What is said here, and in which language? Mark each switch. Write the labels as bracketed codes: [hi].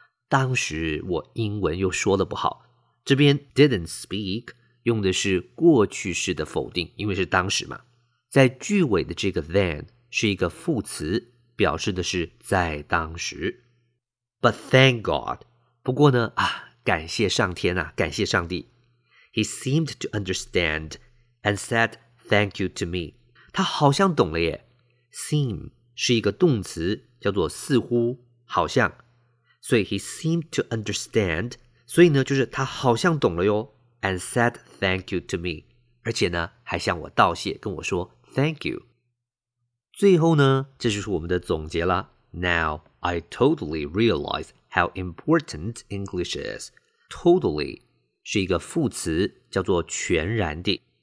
[zh] 当时我英文又说得不好。这边 didn't speak 用的是过去式的否定，因为是当时嘛。在句尾的这个 then 是一个副词，表示的是在当时。 [en] But thank God. [zh] 不过呢，啊，感谢上天啊，感谢上帝。 [en] He seemed to understand and said thank you to me. [zh] 他好像懂了耶。Seem 是一个动词，叫做似乎，好像。 [en] 所以 he seemed to understand. [zh] 所以呢，就是他好像懂了哟。 [en] And said thank you to me. [zh] 而且呢，还向我道谢，跟我说 [en] thank you. [zh] 最后呢，这就是我们的总结了。 [en] Now, I totally realize how important English is. Totally. [zh] 是一个副词，叫做全然地。